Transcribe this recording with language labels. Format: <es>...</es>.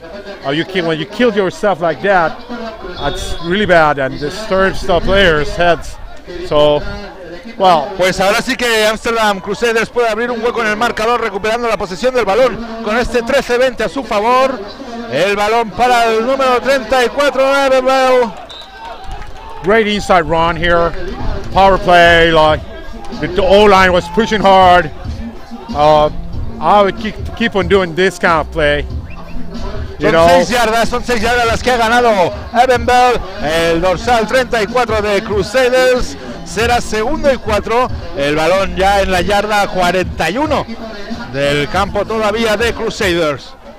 <en>When you killed yourself like that, that's really bad and disturbs the players' heads. So, well.</en> <es>Pues ahora sí que Amsterdam Crusaders puede abrir un hueco en el marcador recuperando la posesión del balón con este 13-20 a su favor. El balón para el número 34.</es> <en>Great inside run here. Power play, like. The O-line was pushing hard. I would keep on doing this kind of play. You know.</en> <es>Son 6 yardas las que ha ganado Evan Bell. El dorsal 34 de Crusaders. Será segundo y 4. El balón ya en la yarda 41 del campo todavía de Crusaders.</es>